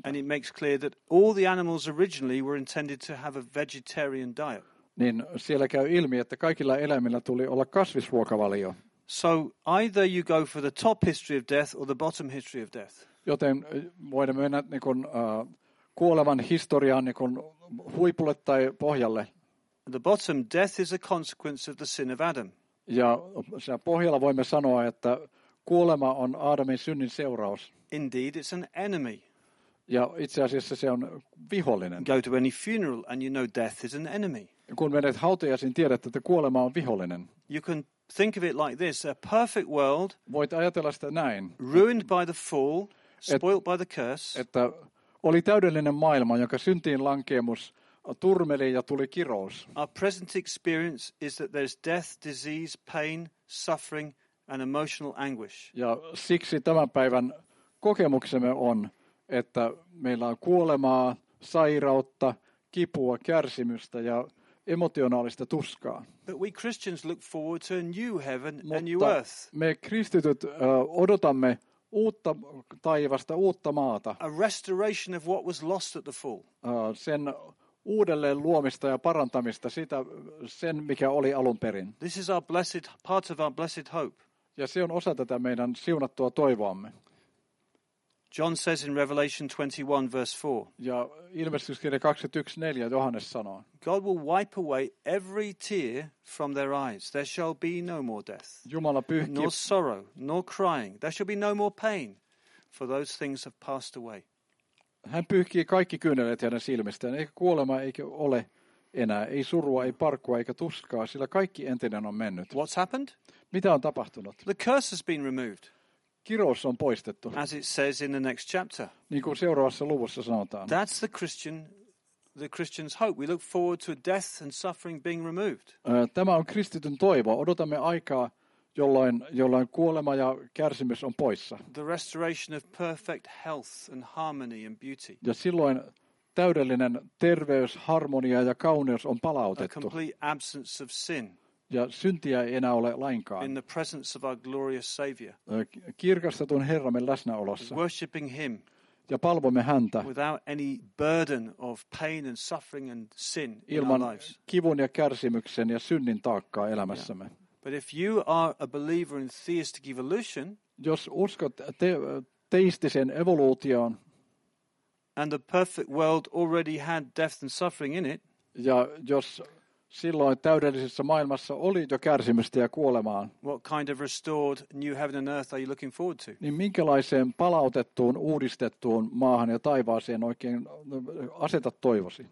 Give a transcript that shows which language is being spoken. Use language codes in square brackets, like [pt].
[en] And it makes clear that all the animals originally were intended to have a vegetarian diet. [fi] Niin siellä käy ilmi, että kaikilla eläimillä tuli olla kasvisruokavalio. [en] So either you go for the top history of death or the bottom history of death. [fi] Joten voidaan mennä kuolevan historiaan huipulle tai pohjalle. [en] The bottom, death is a consequence of the sin of Adam. [fi] Ja siellä pohjalla voimme sanoa, että kuolema on Aadamin synnin seuraus. [en] Indeed, it's an enemy. [fi] Ja itse asiassa se on vihollinen. [en] Go to any funeral and you know death is an enemy. [fi] Kun menet hautajaisiin, tiedät, että kuolema on vihollinen. [en] You can think of it like this, a perfect world. [fi] Voit ajatella sitä näin. [en] Ruined by the fall, spoiled by the curse. [fi] Että oli täydellinen maailma, jonka syntiin lankeemus turmeli ja tuli kirous. [en] Our present experience is that there's death, disease, pain, suffering and emotional anguish. [fi] Ja siksi tämän päivän kokemuksemme on, että meillä on kuolemaa, sairautta, kipua, kärsimystä ja emotionaalista tuskaa. [en] But we Christians look forward to a new heaven and new earth. [fi] Me kristityt odotamme uutta taivasta, uutta maata. [en] A restoration of what was lost at the fall. [fi] Sen uudelleen luomista ja parantamista sitä, sen mikä oli alun perin. [en] This is our blessed part of our blessed hope. [fi] Ja se on osa tätä meidän siunattua toivoamme. [en] John says in Revelation 21 verse 4. [fi] Ja ilmestyskirja 21:4 Johannes sanoo. [en] God will wipe away every tear from their eyes. There shall be no more death. [fi] Jumala pyyhkii. [en] Nor sorrow, nor crying. There shall be no more pain, for those things have passed away. [fi] Hän pyyhkii kaikki kyyneleet hänen silmistään. Eikä kuolema eikä ole enää. Ei surua, ei parkua, eikä tuskaa, sillä kaikki entinen on mennyt. [en] What's happened? [fi] Mitä on tapahtunut? [en] The curse has been removed. [fi] Kirous on poistettu. [en] As it says in the next chapter. [fi] Niin kuin seuraavassa luvussa sanotaan. [en] That's the Christian's hope. We look forward to death and suffering being removed. [fi] Tämä on kristityn toivo. Odotamme aikaa, jolloin kuolema ja kärsimys on poissa. [en] The restoration of perfect health and harmony and beauty. [fi] Ja silloin täydellinen terveys, harmonia ja kauneus on palautettu. [en] A complete absence of sin. [fi] Ja syntiä ei enää ole lainkaan. [en] In the presence of our glorious Savior. [fi] Kirkastetun Herramme läsnäolossa. [en] Worshiping him. [fi] Ja palvomme häntä. [en] Without any burden of pain and suffering and sin in our lives. [fi] Ilman kivun ja kärsimyksen ja synnin taakkaa elämässämme. [en] Yeah. But if you are a believer in theistic evolution. [fi] Jos uskot teistiseen evoluutioon. [en] And the perfect world already had death and suffering in it. [fi] Ja jos silloin täydellisessä maailmassa oli jo kärsimystä ja kuolemaa. [en] What kind of restored new heaven and earth are you looking forward to? [fi] Niin minkälaiseen palautettuun, uudistettuun maahan ja taivaaseen oikein aseta toivosi?